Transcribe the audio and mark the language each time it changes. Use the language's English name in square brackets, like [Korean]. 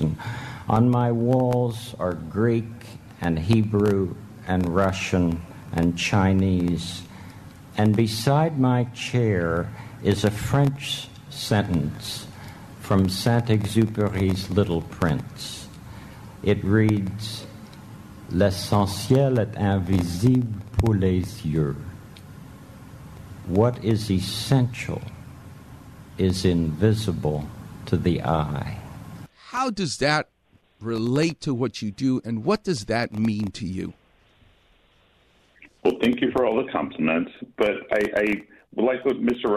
[English] And on my walls are Greek and Hebrew and Russian and Chinese. And beside my chair is a French sentence from Saint-Exupéry's Little Prince. It reads, [French] L'essentiel est invisible pour les yeux. [English] What is essential is invisible to the eye. How does that relate to what you do, and what does that mean to you? Well, thank you for all the compliments, but I like what Mr.